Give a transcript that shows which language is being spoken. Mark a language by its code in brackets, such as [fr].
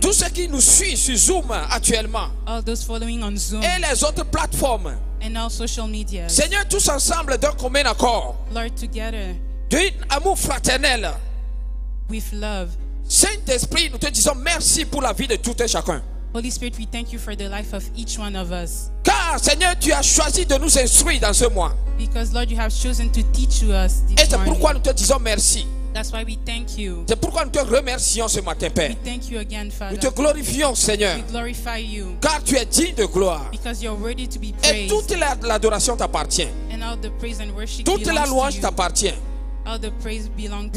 [fr] Tous ceux qui nous suivent sur Zoom actuellement. [en] All those following on Zoom. [fr] Et les autres plateformes. [en] And all social media. [fr] Seigneur, tous ensemble d'un commun accord. [en] Lord, together. [fr] D'un amour fraternel. [en] With love. [fr] Saint-Esprit, nous te disons merci pour la vie de tout et chacun. [en] Holy Spirit, we thank you for the life of each one of us. [fr] Car, Seigneur, tu as choisi de nous instruire dans ce mois. [en] Because Lord, you have chosen to teach us this [fr] morning. Et c'est pourquoi nous te disons merci. [en] That's why we thank you. [fr] C'est pourquoi nous te remercions ce matin, Père. [en] We thank you again, Father. [fr] Nous te glorifions, Seigneur. [en] We glorify you. [fr] Car tu es digne de gloire. [en] Because you're worthy to be praised. [fr] Et toute l'adoration t'appartient. [en] And all the praise and worship belongs to you. [fr] Toute la louange t'appartient. [en] All the praise belong to